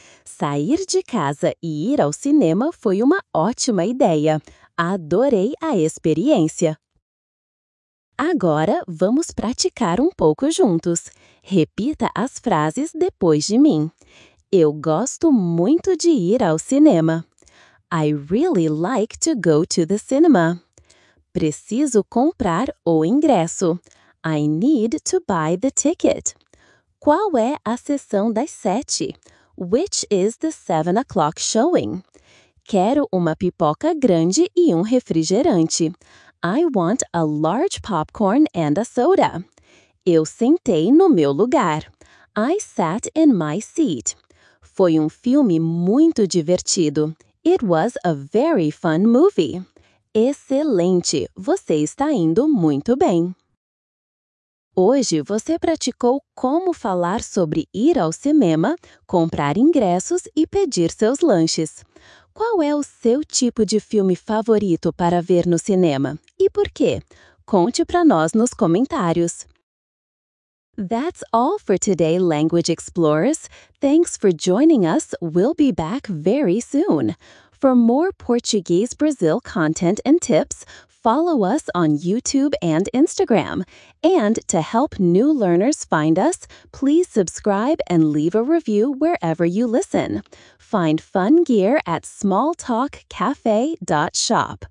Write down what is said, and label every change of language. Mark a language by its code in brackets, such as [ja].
[pt] Sair de casa e ir ao cinema foi uma ótima ideia. Adorei a experiência. Agora, vamos praticar um pouco juntos. Repita as frases depois de mim. Eu gosto muito de ir ao cinema. [en] I really like to go to the cinema. [pt] Preciso comprar o ingresso. [en] I need to buy the ticket. [pt] Qual é a sessão das 7? [en] Which is the 7 o'clock showing? [pt] Quero uma pipoca grande e um refrigerante. [en] I want a large popcorn and a soda. [pt] Eu sentei no meu lugar. [en] I sat in my seat. [pt] Foi um filme muito divertido. [en] It was a very fun movie. [pt] Excelente! Você está indo muito bem. Hoje você praticou como falar sobre ir ao cinema, comprar ingressos e pedir seus lanches. Qual é o seu tipo de filme favorito para ver no cinema? E por quê? Conte para nós nos comentários. [en] That's all for today, Language Explorers. Thanks for joining us. We'll be back very soon. For more Portuguese Brazil content and tips, follow us on YouTube and Instagram. And to help new learners find us, please subscribe and leave a review wherever you listen. Find fun gear at smalltalkcafe.shop.